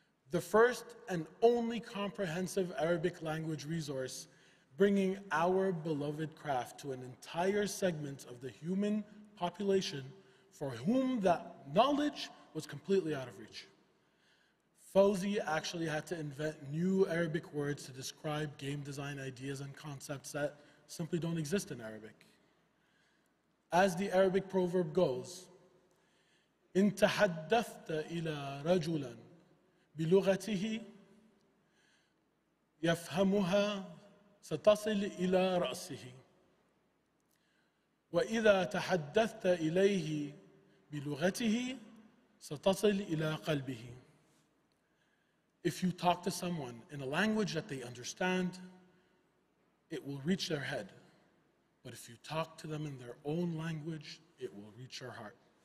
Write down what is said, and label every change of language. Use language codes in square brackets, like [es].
[en] The first and only comprehensive Arabic language resource, bringing our beloved craft to an entire segment of the human population for whom that knowledge was completely out of reach. Fawzi actually had to invent new Arabic words to describe game design ideas and concepts that simply don't exist in Arabic. As the Arabic proverb goes, [ar] إن تحدثت إلى رجلا بلغته يفهمها ستصل إلى رأسه وإذا تحدثت إليه بلغته ستصل إلى قلبه. [en] If you talk to someone in a language that they understand, it will reach their head. But if you talk to them in their own language, it will reach your heart.